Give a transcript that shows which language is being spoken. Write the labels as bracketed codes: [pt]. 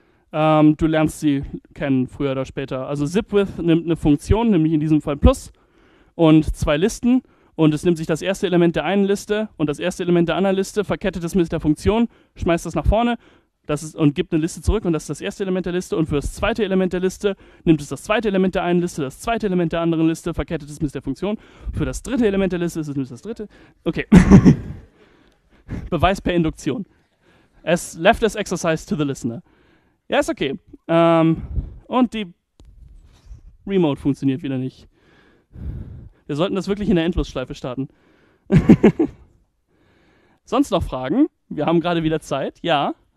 [de] Du lernst sie kennen, früher oder später. Also ZipWith nimmt eine Funktion, nämlich in diesem Fall Plus und zwei Listen und es nimmt sich das erste Element der einen Liste und das erste Element der anderen Liste, verkettet es mit der Funktion, schmeißt das nach vorne und gibt eine Liste zurück und das ist das erste Element der Liste und für das zweite Element der Liste nimmt es das zweite Element der einen Liste, das zweite Element der anderen Liste, verkettet es mit der Funktion, für das dritte Element der Liste ist es das dritte. Okay. Beweis per Induktion. [en] As left as exercise to the listener. [de] Ja, ist okay. Und die Remote funktioniert wieder nicht. Wir sollten das wirklich in der Endlosschleife starten. Sonst noch Fragen? Wir haben gerade wieder Zeit. Ja?